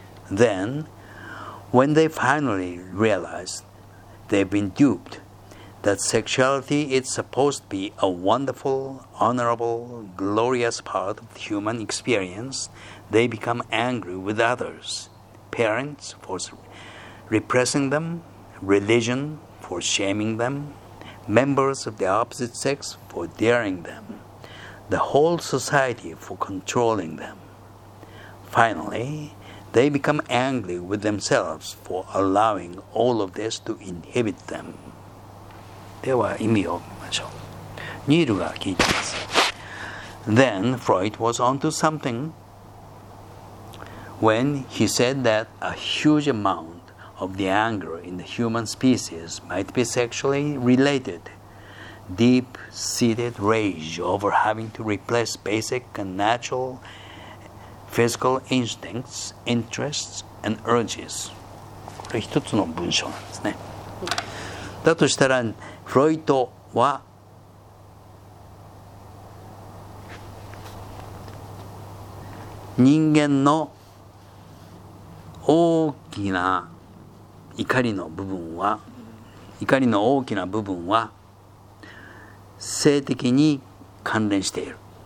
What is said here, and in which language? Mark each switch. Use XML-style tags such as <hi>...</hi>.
<en>Then, when they finally realize they've been duped, that sexuality is supposed to be a wonderful, honorable, glorious part of the human experience, they become angry with others, parents for repressing them, religion for shaming them, members of the opposite sex for daring them, the whole society for controlling them. Finally, they become angry with themselves for allowing all of this to inhibit them.</en> <ja>では意味を見ましょう。ニールが聞いています。</ja> <en>Then Freud was onto something when he said that a huge amount of the anger in the human species might be sexually related. Deep-seated rage over having to replace basic and natural physical instincts, interests, and urges.</en> <ja>これ一つの文章なんですね。だとしたら、フロイトは、人間の大きな怒りの部分は、怒りの大きな部分は、性的に関連している。</ja>